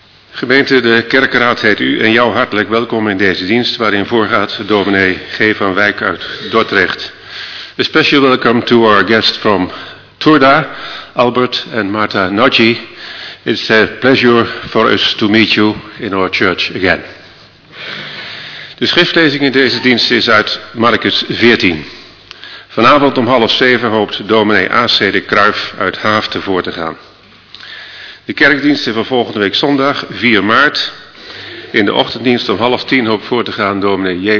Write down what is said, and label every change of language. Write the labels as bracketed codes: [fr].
[nl] Gemeente, de kerkenraad heet u en jou hartelijk welkom in deze dienst waarin voorgaat dominee G. van Wijk uit Dordrecht. [en] A special welcome to our guests from Turda, Albert and Marta Nagy. It's a pleasure for us to meet you in our church again. [nl] De schriftlezing in deze dienst is uit Marcus 14. Vanavond om 6:30 hoopt dominee A.C. de Kruif uit Haaf te voor te gaan. De kerkdiensten van volgende week zondag, 4 maart. In de ochtenddienst om 9:30 hoop voor te gaan dominee J.